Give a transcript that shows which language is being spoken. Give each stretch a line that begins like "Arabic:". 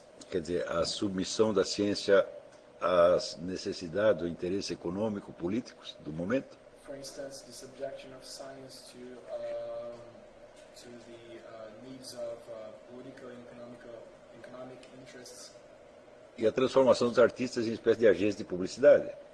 Portuguese: Quer dizer, a submissão da ciência às necessidades, ao interesse econômico, políticos do momento.
English: For instance, the subjection of science to needs of political and economic interests.
Portuguese: E a transformação dos artistas em espécie de agentes de publicidade.